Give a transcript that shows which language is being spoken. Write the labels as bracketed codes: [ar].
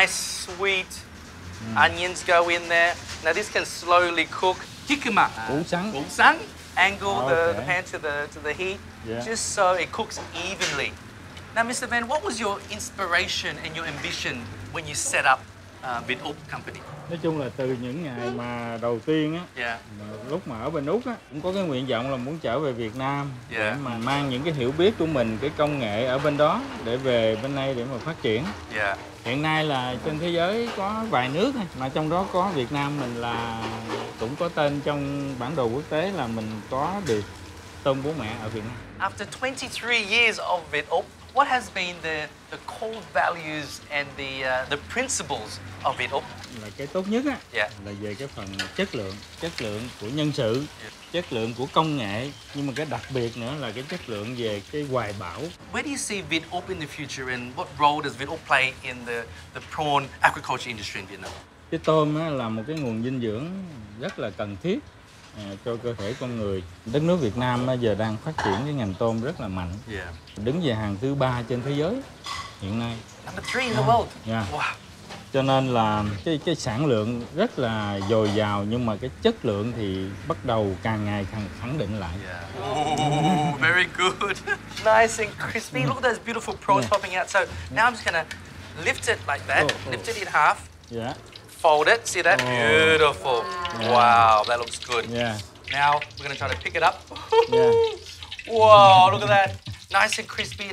[en] Nice, sweet onions go in there. Now this can slowly cook. Jicama. [vi] Đậu xanh. [en] Angle the pan to the heat. Yeah. Just so it cooks evenly. Now, Mr. Van, what was your inspiration and your ambition when you set up Viet-Uc company? [vi] Nói chung là từ những ngày mà đầu tiên á, lúc mà ở bên Úc á, cũng có cái nguyện vọng là muốn trở về Việt Nam để mà mang những cái hiểu biết của mình, cái công nghệ ở bên đó để về bên đây để mà phát triển. Hiện nay là trên thế giới có vài nước mà trong đó có Việt Nam mình là cũng có tên trong bản đồ quốc tế là mình có được tôm bố mẹ ở Việt Nam. [en] After 23 years of Viet-Uc, what has been the core values and the principles of Viet-Uc? [vi] Là cái tốt nhất á, là về cái phần chất lượng của nhân sự, chất lượng của công nghệ, nhưng mà cái đặc biệt nữa là cái chất lượng về cái hoài bão. [en] Where do you see Viet-Uc in the future and what role does Viet-Uc play in the prawn aquaculture industry in Vietnam? [vi] Cái tôm á là một cái nguồn dinh dưỡng rất là cần thiết cho cơ thể con người. Đất nước Việt Nam giờ đang phát triển cái ngành tôm rất là mạnh. [en] Yeah. [vi] Đứng về hàng thứ ba trên thế giới hiện nay. [en] Number 3 in the world. Yeah. Wow. [vi] Cho nên là cái sản lượng rất là dồi dào nhưng mà cái chất lượng thì bắt đầu càng ngày càng khẳng định lại. [en] Yeah. Oh, very Very good. Nice and crispy. Look at those beautiful prawns popping out. So now I'm just going to lift it like that. Lift it in half. Yeah. Fold it. See that? Beautiful. Wow, that looks good. Yeah. Now we're going to try to pick it up. Whoa, look at that. Nice and crispy.